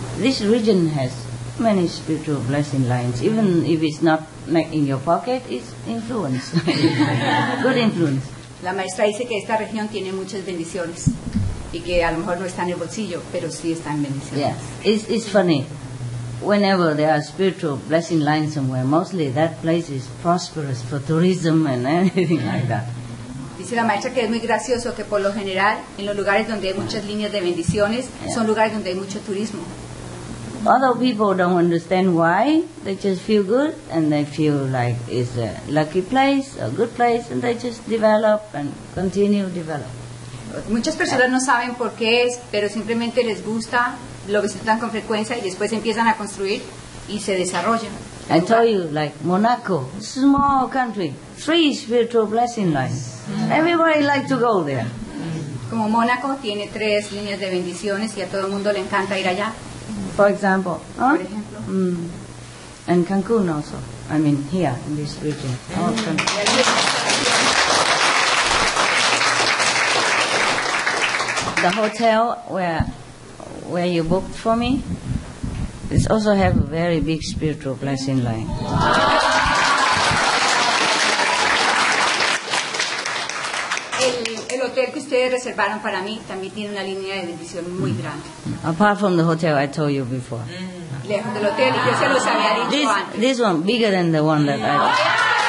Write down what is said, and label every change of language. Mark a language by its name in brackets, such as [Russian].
[English] This region has many spiritual blessing lines, even if it's not in your pocket, it's influence. Good influence. [Spanish] La maestra dice que esta región tiene muchas bendiciones y que a lo mejor no está en el bolsillo, pero sí está en bendiciones. [English] Yes. It's funny. Whenever there are spiritual blessing lines somewhere, mostly that place is prosperous for tourism and anything like that. [Spanish] dice la maestra que es muy gracioso que por lo general en los lugares donde hay muchas líneas de bendiciones son lugares donde hay mucho turismo. [English] Other people don't understand why, they just feel good and they feel like it's a lucky place, a good place, and they just develop and continue to develop. [Spanish] Muchas personas no saben por qué es, pero simplemente les gusta, lo visitan con frecuencia y después empiezan a construir y se desarrollan. [English] I tell you, like Monaco, small country, three spiritual blessing lines. Everybody likes to go there. [Spanish] Como Monaco tiene tres líneas de bendiciones y a todo el mundo le encanta ir allá. [English] For example, [Spanish] huh? Por [English] ejemplo. And Cancun also. I mean, here in this region. The hotel where you booked for me, it also have a very big spiritual blessing line. [Spanish] El hotel que ustedes reservaron para mí también tiene una línea de bendición muy grande. [English] Apart from the hotel I told you before. [Spanish] Lejos del hotel, yo se los había dicho antes. [English] This one bigger than the one that I.